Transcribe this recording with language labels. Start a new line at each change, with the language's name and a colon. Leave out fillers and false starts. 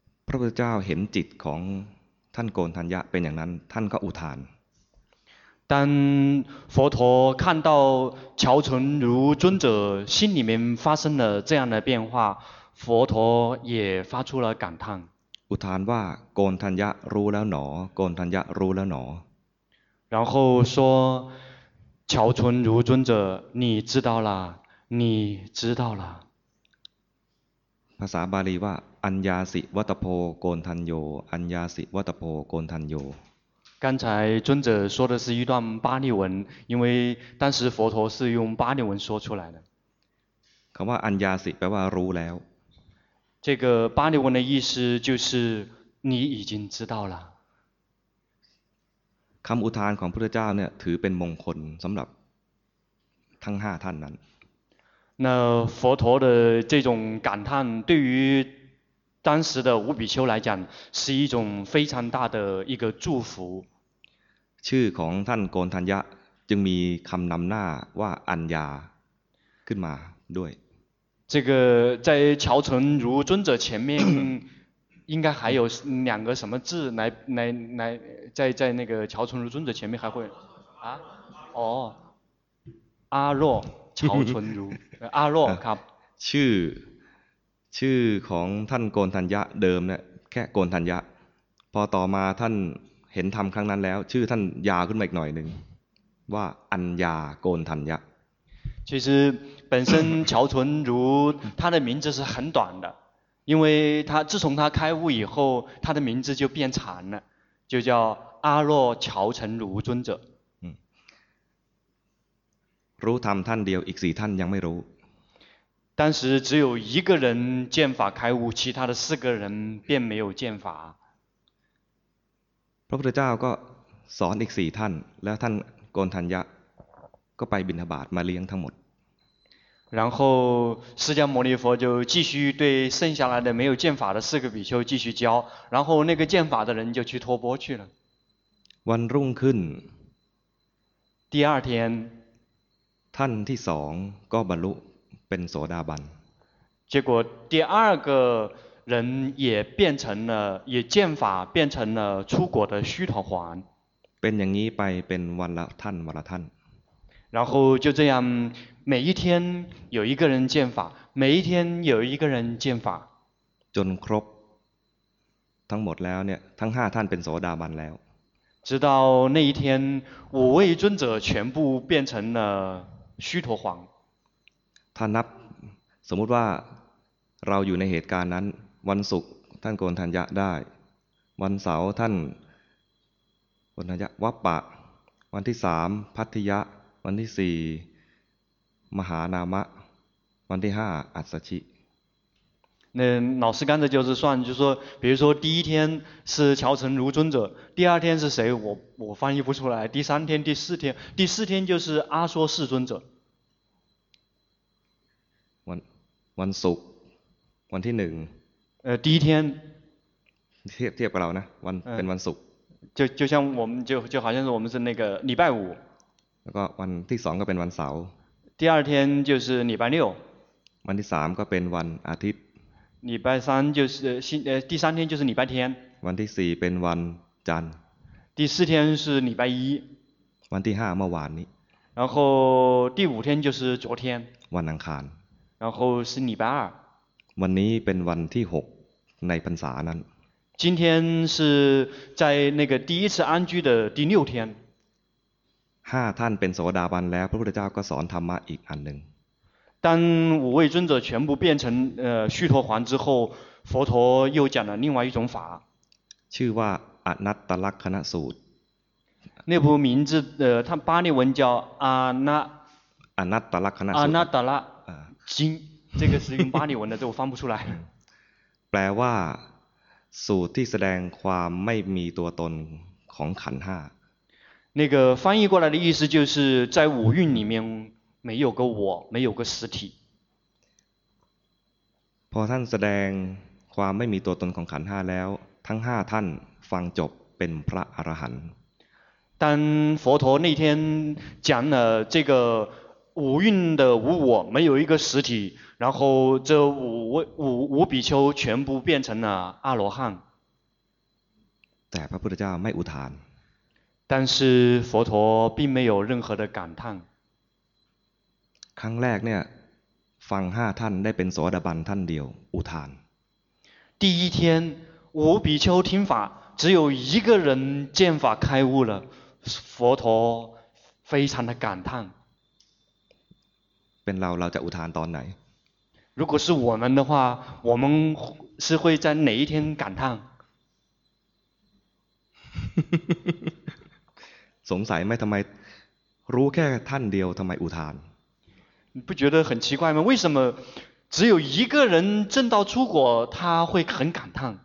Thai: ระพุทธเจ้าเห็นจิตของท่านโกณฑัญญะเป็นอย่างนั้นท่านก็อุทาน
Chinese: 当佛陀看到乔纯如尊者心里面发生了这样的变化佛陀也发出了感叹
Thai: อุทานว่าโกณฑัญญะรู้แล้วหนอโกณฑัญญะรู้แล้วหน
Chinese: อ然后说乔纯如尊者你知道了你知道了
Thai: ภาษาบาลีว่าอัญญาสิวัตโพโกณฑัญโยอัญญาสิวัตโพโกณฑัญโย
Chinese: 刚才尊者说的是一段巴利文因为当时佛陀是用巴利文说出来的
Thai: คำว่าอัญญาสิแปลว่ารู้แล้ว
Chinese: 这个巴利文的意思就是你已经知道了
Thai: คำอุทานของพระพุทธเจ้าเนี่ยถือเป็นมงคลสำหรับทั้ง5ท่านนั้น
Chinese: 那佛陀的这种感叹对于当时的五比丘来讲是一种非常大的一个祝福
Thai: ชื่อของท่านโกณฑัญญะจึงมีคำนำหน้าว่าอัญญาขึ้นมาด้วย
Chinese: 这个在乔纯如尊者前面应该还有两个什么字来在那个乔纯如尊者前面还会啊哦阿若乔纯如阿若
Thai: ครับ ชื่อของท่านโกณฑัญญะเดิมเนี่ยแค่โกณฑัญญะพอต่อมาท่านเห็นธรรมครั้งนั้นแล้วชื่อท่านยาวขึ้นมาอีกหน่อยนึงว่าอัญญาโกณฑัญญะ
Chinese: 其实本身乔纯如他的名字是很短的因为他自从他开悟以后他的名字就变长了就叫阿若乔纯如尊者
Thai: รู้ธรรมท่านเดียวอีกสี่ท่านยังไม่รู้
Chinese: 当时只有一个人见法开悟，其他的四个人便没有见法。
Thai: พระพุทธเจ้าก็สอนอีกสี่ท่านแล้วท่านโกณฑัญญะก็ไปบิณฑบาตมาเลี้ยงทั้งหมด
Chinese: 然后释迦牟尼佛就继续对剩下来的没有见法的四个比丘继续教然后那个见法的人就去托钵去了
Thai: วันรุ่งขึ้น
Chinese: 第二天
Thai: ท่านที่สองก็บรรลุเป็นโสดาบัน
Chinese: 结果第二个人也变成了也见法变成了出果的须陀洹
Thai: เป็นอย่างนี้ไปเป็นวันละท่านวันละท่าน
Chinese: 然后就这样每一天有一个人见法每一天有一个人见法
Thai: จนครบทั้งหมดแล้วเนี่ยทั้ง5ท่านเป็นโสดาบันแล้ว
Chinese: 直到那一天五位尊者全部变成了须陀洹
Thai: ถ้านับสมมุติว่าเราอยู่ในเหตุการณ์นั้นวันศุกร์ท่านโกณฑัญญะได้วันเสาร์ท่านโกณฑัญญะวัปปะวันที่3พัทธิยะวันที่4มหานามะวันที่5อัสสชิ
Chinese: 那老师刚才就是算就是说比如说第一天是乔纯如尊者第二天是谁我翻译不出来第三天第四天就是阿说世尊者
Thai: วันศุกร์วันที่หนึ่ง
Chinese: ดีเทียน
Thai: เทียบกับเรานะวันเป็นวันศุกร์
Chinese: 就像我们就好像是我们是那个礼拜五
Thai: แล้วก็วันที่สองก็เป็นวันเสาร์
Chinese: 第二天就是礼拜六
Thai: วันที่สามก็เป็นวันอาทิตย์
Chinese: 礼拜三就是第三天就是礼拜天
Thai: วันที่สี่เป็นวันจันทร์
Chinese: 第四天是礼拜一
Thai: วันที่ห้าเมื่อวานนี้
Chinese: 然后第五天就是昨天
Thai: วันอังคาร
Chinese: 然后是礼拜二
Thai: วันนี้เป็นวันที่6ในพรรษานั้น
Chinese: 今天是在那个第一次安居的第六天
Thai: 5ท่านเป็นโสดาบันแล้วพระพุทธเจ้าก็สอนธรรมะอีกอันหนึ่ง
Chinese: 当五位尊者全部变成须陀洹之后佛陀又讲了另外一种法
Thai: ชื่อว่าอนัตตลักขณสูตร
Chinese: 那部名字它巴利文叫
Thai: อนัตตลักขณสูตร
Chinese: อนัตตลักจ这个是用巴利文的，这我翻不出来。
Thai: แปลว่าสูตรที่แสดงความไม่มีตัวตนของขันธ์ห้า。
Chinese: 那个翻译过来的意思就是在五蕴里面没有个我，没有个实体。
Thai: พอท่านแสดงความไม่มีตัวตนของขันธ์ห้าแล้วทั้ง5ท่านฟังจบเป็นพระอรหันต์
Chinese: 。当佛陀那天讲了这个五蕴的无我没有一个实体，然后这 五比丘全部变成了阿罗汉。
Thai: แต่พระพุทธเจ้าไม่อุทาน
Chinese: 但是佛陀并没有任何的感叹。
Thai: ครั้งแรกเนี่ยฟังห้าท่านได้เป็นโสดาบันท่านเดียวอุทาน
Chinese: 第一天五比丘听法只有一个人见法开悟了佛陀非常的感叹
Thai: เป็นเราจะอุทานตอนไหน
Chinese: 如果是我们的话我们是会在哪一天感叹
Thai: สงสัยไหมทำไมรู้แค่ท่านเดียวทำไมอุทาน
Chinese: 不觉得很奇怪吗为什么只有一个人证道出果他会很感叹